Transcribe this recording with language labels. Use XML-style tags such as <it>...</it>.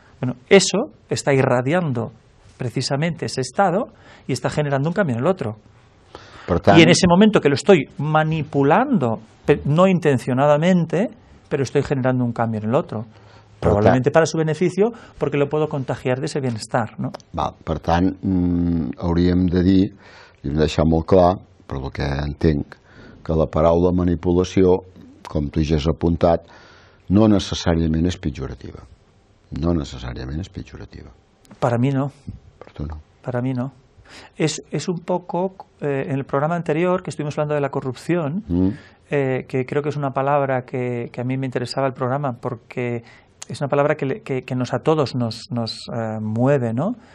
<es>Bueno, eso está irradiando precisamente ese estado y está generando un cambio en el otro.</es> <ca>Por tant,</ca> <es>y en ese momento que lo estoy manipulando, no intencionadamente, pero estoy generando un cambio en el otro. Probablemente tant, para su beneficio, porque lo puedo contagiar de ese bienestar, ¿no?</es> <ca>Val, per tant, hauríem de dir, i ho deixar molt clar, per el que entenc, que la paraula manipulació, com tu ja has apuntat, no necessàriament és pejorativa.</ca> <es>No necesariamente es peyorativa. Para mí no. Para tú no. Para mí no. Es un poco, en el programa anterior, que estuvimos hablando de la corrupción, que creo que es una palabra que a mí me interesaba el programa, porque es una palabra que nos a todos nos mueve, ¿no?</es>